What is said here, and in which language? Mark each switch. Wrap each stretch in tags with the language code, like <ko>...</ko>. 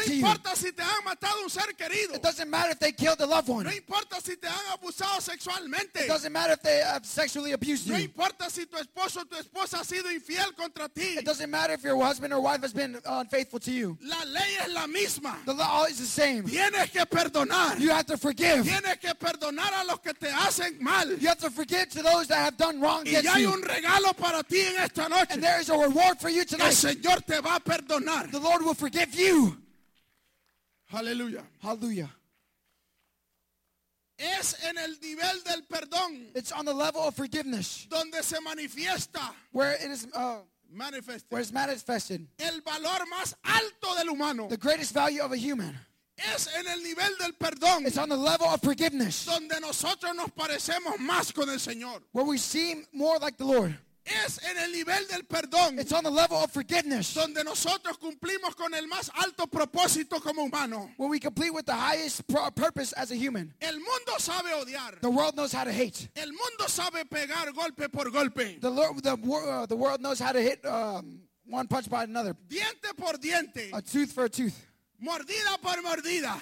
<en>to you.</en> <es>No importa si te han matado un ser querido.</es> <en>It doesn't matter if they killed a loved one.</en> <es>No importa si te han abusado sexualmente.</es> <en>It doesn't matter if they have sexually abused you.</en> <es>No importa si tu esposo o tu esposa ha sido infiel contra ti.</es> <en>It doesn't matter if your husband or wife has been unfaithful to you.</en> <es>La ley es la misma.</es> <en>The law is the same.</en> <es>Tienes que perdonar.</es> <en>You have to forgive.</en> <es>Tienes que perdonar a los que te hacen mal.</es> <en>You have to forgive to those that have done wrong against you.</en> <es>Y hay un regalo para ti en esta noche.</es> <en>And there is a reward for you tonight.</en> <es>El Señor te va a perdonar.</es> <en>The Lord will forgive you. Hallelujah. Hallelujah.</en> <es>Es en el nivel del perdón.</es> <en>It's on the level of forgiveness.</en> <es>Donde se manifiesta.</es> <en>Where it is manifested. Where it's manifested.</en> <es>El valor más alto del humano.</es> <en>The greatest value of a human.</en> <es>Es en el nivel del perdón.</es> <en>It's on the level of forgiveness.</en> <es>Donde nosotros nos parecemos más con el Señor.</es> <en>Where we seem more like the Lord.</en> <es>Es en el nivel del perdón.</es> <en>It's on the level of forgiveness.</en> <es>Donde nosotros cumplimos con el más alto propósito como humano.</es> <en>Where we complete with the highest purpose as a human.</en> <es>El mundo sabe odiar.</es> <en>The world knows how to hate.</en> <es>El mundo sabe pegar golpe por golpe.</es> <en>The world knows how to hit one punch by another.</en> <es>Diente por diente.</es> <en>A tooth for a tooth.</en> <es>Mordida por mordida.</es>